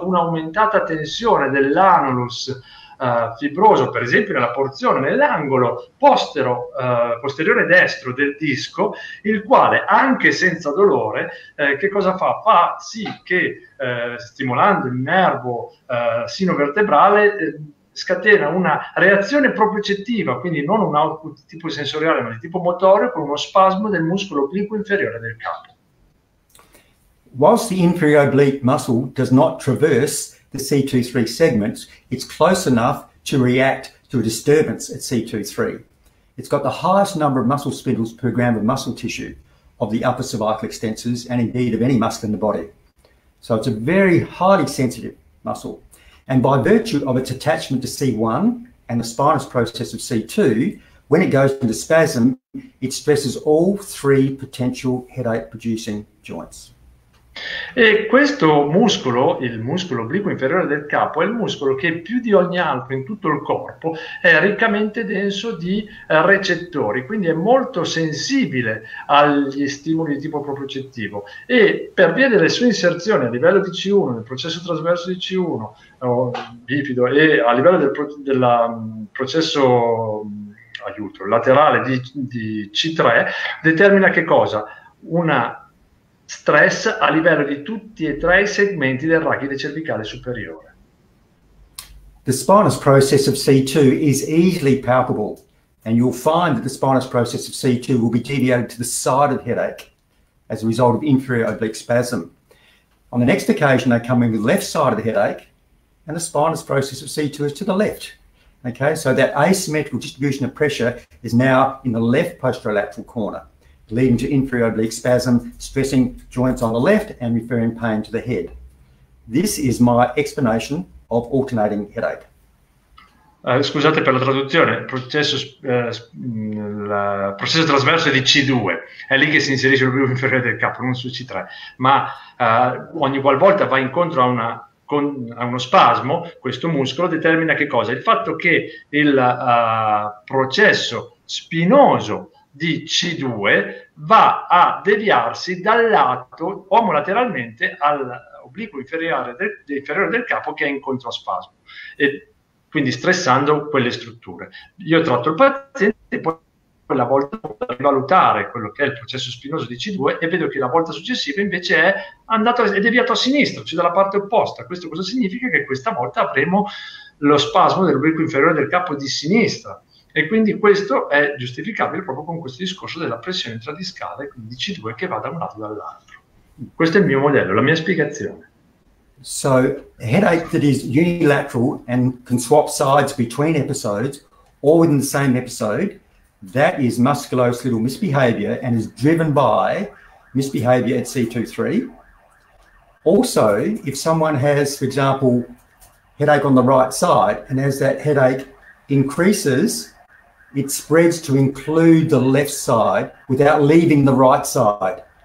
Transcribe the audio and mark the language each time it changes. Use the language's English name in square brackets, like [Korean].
[Italian] Un'aumentata tensione dell'anulus fibroso, per esempio nella porzione nell'angolo posteriore destro del disco, il quale anche senza dolore che cosa fa? Fa sì che stimolando il nervo sinovertebrale scatena una reazione propriocettiva, quindi non un output di tipo sensoriale ma di tipo motorio, con uno spasmo del muscolo obliquo inferiore del capo. [English] Whilst the inferior oblique muscle does not traverse the C2-3 segments, it's close enough to react to a disturbance at C2-3. It's got the highest number of muscle spindles per gram of muscle tissue of the upper cervical extensors and indeed of any muscle in the body. So it's a very highly sensitive muscle. And by virtue of its attachment to C1 and the spinous process of C2, when it goes into spasm, it stresses all three potential headache-producing joints. [Italian] E questo muscolo, il muscolo obliquo inferiore del capo, è il muscolo che più di ogni altro in tutto il corpo è riccamente denso di recettori, quindi è molto sensibile agli stimoli di tipo propriocettivo, e per via delle sue inserzioni a livello di C1, nel processo trasverso di C1, bifido, e a livello del processo laterale di C3, determina che cosa? Una stress a livello di tutti e tre i segmenti del rachide cervicale superiore. [English] The spinous process of C2 is easily palpable, and you'll find that the spinous process of C2 will be deviated to the side of headache as a result of inferior oblique spasm. On the next occasion, they come in the left side of the headache, and the spinous process of C2 is to the left. Okay, so that asymmetrical distribution of pressure is now in the left posterolateral corner, leading to inferior oblique spasm, stressing joints on the left and referring pain to the head. This is my explanation of alternating headache. [Italian] Scusate per la traduzione, il processo trasverso è di C2, è lì che si inserisce l'obliquo inferiore del capo, non su C3, ma ogni qualvolta va incontro a uno spasmo, questo muscolo determina che cosa? Il fatto che il processo spinoso di C2 va a deviarsi dal lato omolateralmente all'obliquo inferiore del capo, che è in controspasmo, e quindi stressando quelle strutture. Io tratto il paziente, poi quella volta a rivalutare quello che è il processo spinoso di C2 e vedo che la volta successiva invece è deviato a sinistra, cioè dalla parte opposta. Questo cosa significa? Che questa volta avremo lo spasmo dell'obliquo inferiore del capo di sinistra. E quindi questo è giustificabile proprio con questo discorso della pressione intradiscale, quindi C2 che va da un lato o dall'altro. Questo è il mio modello, la mia spiegazione. [English] So, a headache that is unilateral and can swap sides between episodes or within the same episode, that is musculoskeletal misbehavior and is driven by misbehavior at C2-3. Also, if someone has, for example, headache on the right side, and as that headache increases, it spreads to include the left side without leaving the right side.